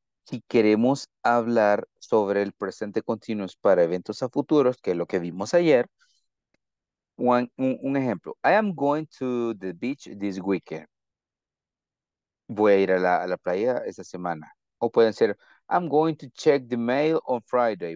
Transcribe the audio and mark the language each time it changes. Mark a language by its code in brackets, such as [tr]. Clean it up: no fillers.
[es] Si queremos hablar sobre el presente continuo para eventos a futuros, que es lo que vimos ayer, un ejemplo. [en] I am going to the beach this weekend. [es] Voy a ir a la playa esta semana. O pueden ser, [en] I'm going to check the mail on Friday.